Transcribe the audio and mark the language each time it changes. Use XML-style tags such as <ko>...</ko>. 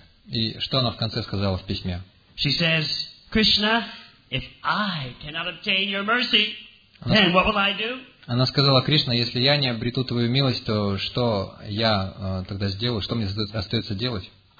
<ru>И что она в конце сказала в письме?</ru> <en>She says, Krishna, if I cannot obtain your mercy, then what will I do?</en> <ru>Она сказала: «Кришна, если я не обрету твою милость, то что я тогда сделаю? Что мне остается делать?»</ru>